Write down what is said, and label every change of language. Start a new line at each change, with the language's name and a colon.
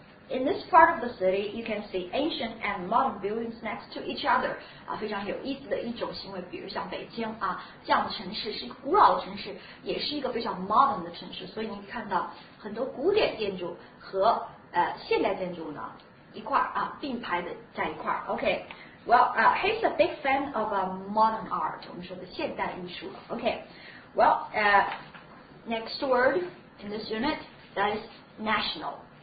English: In this part of the city, you can see ancient and modern buildings next to each other.
Chinese: 啊，非常有意思的一种行为。比如像北京啊，这样的城市是一个古老的城市，也是一个非常 modern 的城市。所以你看到很多古典建筑和现代建筑呢一块啊并排的在一块。
English: OK, well, he's a big fan of modern art.
Chinese: 我们说的现代艺术。
English: OK, well, next word in this unit that is national.